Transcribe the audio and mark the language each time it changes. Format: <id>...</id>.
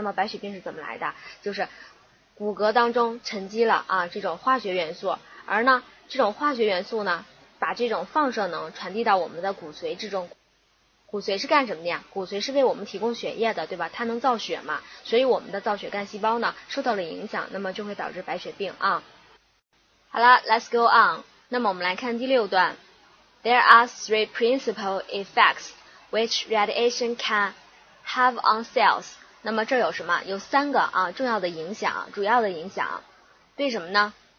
<zh>那么白血病是怎么来的？就是骨骼当中沉积了啊这种化学元素，而呢这种化学元素呢把这种放射能传递到我们的骨髓之中。骨髓是干什么的呀？骨髓是为我们提供血液的对吧，它能造血嘛，所以我们的造血干细胞呢受到了影响，那么就会导致白血病啊。好了，</zh> <en>let's go on，</en> <zh>那么我们来看第六段。</zh> <en>There are three principal effects which radiation can have on cells，</en> <zh>那么这有什么？有三个啊重要的影响，主要的影响，对什么呢？</zh>